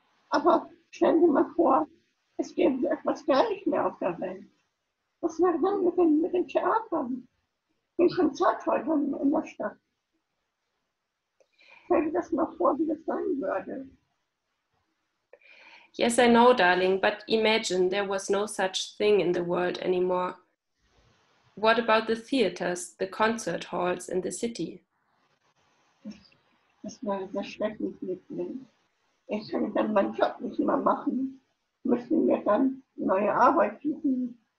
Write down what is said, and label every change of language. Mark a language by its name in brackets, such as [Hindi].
[German] Aber stell dir mal vor, es gäbe etwas gar nicht mehr auf der Welt. Was wäre dann mit den Theatern, den Konzerthäusern in der Stadt? Stell dir das mal vor, wie das sein würde. [English] Yes, I know, darling, but imagine there was no such thing in the world anymore. What about the theaters, the concert halls in the city? [German] Das war sehr schrecklich, Liebling. Ich könnte dann meinen Job nicht mehr machen, müsste mir dann neue Arbeit suchen.